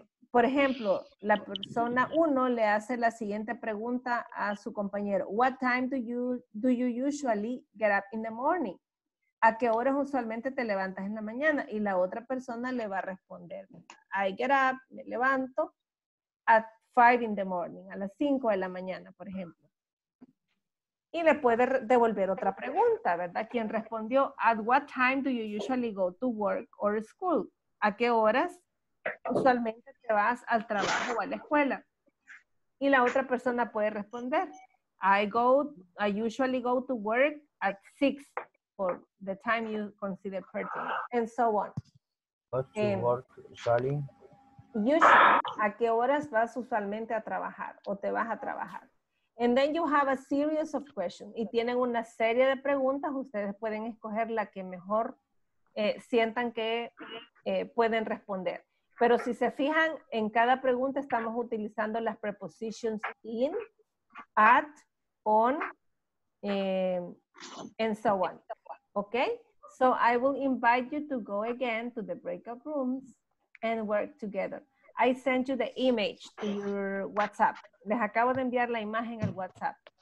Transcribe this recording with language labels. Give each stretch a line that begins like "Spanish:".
Spanish: Por ejemplo, la persona uno le hace la siguiente pregunta a su compañero.
English: What time do you usually get up in the morning?
Spanish: ¿A qué horas usualmente te levantas en la mañana? Y la otra persona le va a responder.
English: I get up,
Spanish: me levanto
English: at 5 in the morning,
Spanish: a las 5 de la mañana, por ejemplo. Y le puede devolver otra pregunta, ¿verdad? ¿Quién respondió?
English: At what time do you usually go to work or school?
Spanish: ¿A qué horas usualmente te vas al trabajo o a la escuela? Y la otra persona puede responder.
English: I usually go to work at 6 for the time you consider pertinent. And so on.
Spanish: ¿A qué horas vas usualmente a trabajar o te vas a trabajar?
English: And then you have a series of questions.
Spanish: Y tienen una serie de preguntas. Ustedes pueden escoger la que mejor sientan que pueden responder. Pero si se fijan, en cada pregunta estamos utilizando las prepositions
English: in, at, on, and so on.
Spanish: Okay?
English: So I will invite you to go again to the breakout rooms and work together. I sent you the image to your WhatsApp.
Spanish: Les acabo de enviar la imagen al WhatsApp.